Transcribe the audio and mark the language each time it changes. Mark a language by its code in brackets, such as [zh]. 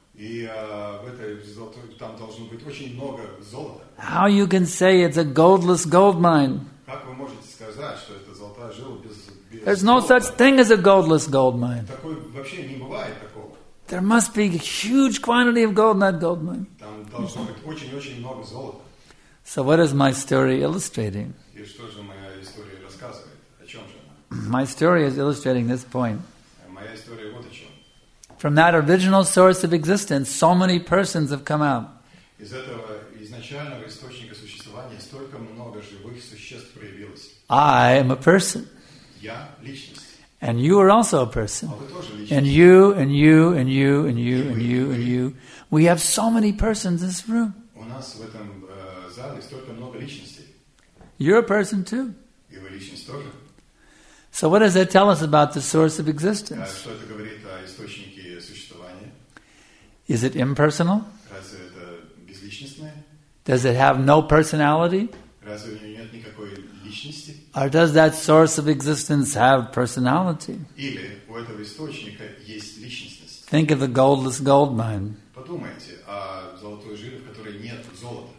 [ru] И в этой золотой там должно быть очень много золота. [en] How you can say it's a goldless gold mine? [ru] Как вы можете сказать, что это золотая жила без золота? [en] There's no such thing as a goldless gold mine. [ru] Такой вообще не бывает такого. [en] There must be a huge quantity of gold in that gold mine. [ru] Там должно быть очень-очень много золота. [en] So what is my story illustrating? [ru] И что же моя история рассказывает? О чем же она? [en] My story is illustrating this point. [ru] Моя история вот о чем. [en] From that original source of existence, so many persons have come out. [ru] Из этого изначального источника существования столько много живых существ проявилось. [en] I am a person. [ru] Я личность. [en] And you are also a person. [ru] А вы тоже личность. [en] And you, and you, and you, and you, and you, and you. We have so many persons in this room. [ru] У нас в этом зале столько много личностей. [en] You're a person too. [ru] И вы личность тоже. [en] So what does that tell us about the source of existence? [ru] Что это говорит о источнике существования? [en] Is it impersonal? [ru] Разве это безличностное? [en] Does it have no personality? [ru] Разве у него нет никакой личности? [en] Or does that source of existence have personality? [ru] Или у этого источника есть личностность? [en] Think of the goldless gold mine. [ru] Подумайте о золотой жиле, в которой нет золота.